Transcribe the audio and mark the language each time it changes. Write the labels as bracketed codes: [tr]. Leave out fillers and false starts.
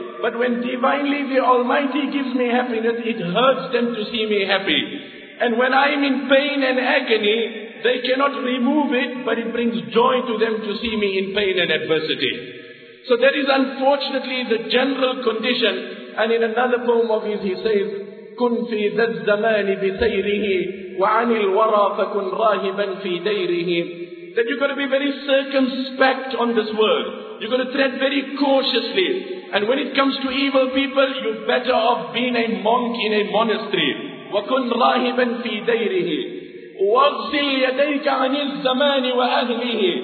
[en] But when divinely the Almighty gives me happiness, it hurts them to see me happy. And when I am in pain and agony, they cannot remove it, but it brings joy to them to see me in pain and adversity. So that is unfortunately the general condition. And in another poem of his, he says, [ar] كُنْ فِي ذَا الزَّمَانِ بِسَيْرِهِ وَعَنِ الْوَرَى فَكُنْ رَاهِبًا فِي دَيْرِهِ. [en] That you've got to be very circumspect on this world. You've got to tread very cautiously. And when it comes to evil people, you're better off being a monk in a monastery. [ar] وَكُنْ رَاهِبًا فِي دَيْرِهِ وَغْسِلْ يَدَيْكَ عَنِ الزَّمَانِ وَأَهْلِهِ.